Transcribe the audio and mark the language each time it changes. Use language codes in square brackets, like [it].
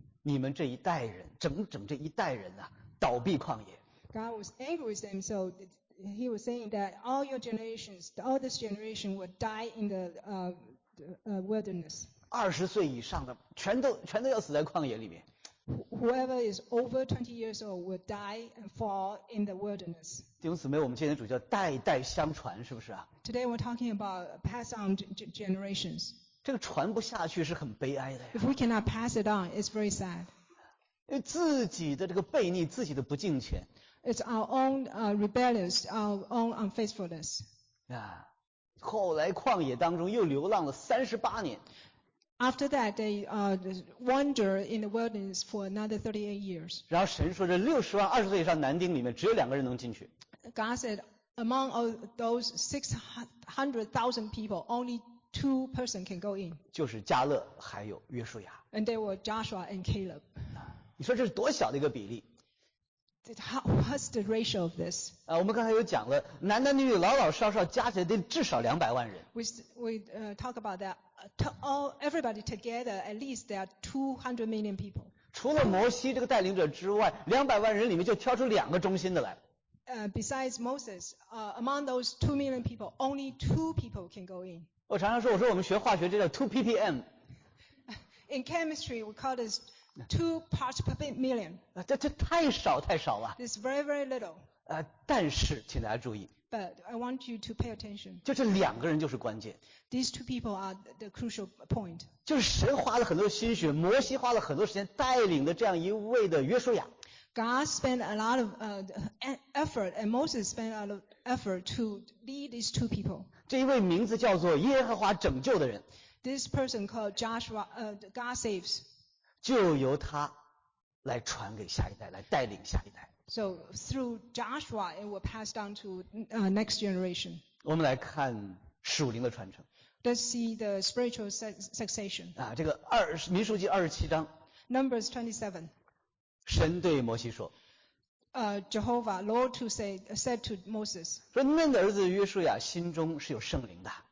[zh] 你们这一代人，整整这一代人啊，倒闭旷野。 [en] God was angry with them, so he was saying that all your generations, all this generation will die in the wilderness. [zh] 20岁以上的全都要死在旷野里面。 [en] Whoever is over 20 years old will die and fall in the wilderness. [zh] 弟兄姊妹，我们今天主叫代代相传，是不是啊？ [en] Today we're talking about pass on generations. [zh] 这个传不下去是很悲哀的呀。 [en] If we cannot pass it on, it's very sad. [zh] 自己的这个悖逆，自己的不敬虔。 [en] It's our own rebellious, our own unfaithfulness. [zh] 后来旷野当中又流浪了38年。 [en] After that, they wander in the wilderness for another 38 years. [zh] 然后神说这60万二十岁以上男丁里面只有两个人能进去。 [en] God said, among all those 600,000 people, only two person can go in. [zh] 就是迦勒还有约书亚。 [en] And they were Joshua and Caleb. [zh] 你说这是多小的一个比例。 [en] What's the ratio of this? [zh] 我们刚才有讲了，男男女女老老少少加起来得至少200万人。 [en] We talk about that. Everybody together, at least there are 200 million people. [zh] 除了摩西这个带领者之外，200万人里面就挑出两个忠心的来。 [en] Besides Moses, among those 2 million people, only 2 people can go in. [zh] 我常常说，我说我们学化学这叫 2 ppm。 [en] In chemistry, we call this 2 parts per million。 [zh] 这太少太少了。 [en] It's very very little。 [zh] 但是请大家注意。 [en] But I want you to pay attention. [zh] 就这两个人就是关键。 [en] These two people are the crucial point. [zh] 就是神花了很多心血，摩西花了很多时间带领的这样一位的约书亚。 [en] God spent a lot of effort and Moses spent a lot of effort to lead these two people. [zh] 这一位名字叫做耶和华拯救的人。 [en] This person called Joshua, God saves. [zh] 就由他来传给下一代，来带领下一代。 [en] So through Joshua, it will pass down to next generation. [zh] 我们来看属灵的传承。 [en] Let's see the spiritual succession. [zh] 啊，这个民数记二十七章。 [en] Numbers 27. [zh] 神对摩西说。 [en] Jehovah, Lord, to say said to Moses. [zh] 说嫩的儿子约书亚心中是有圣灵的。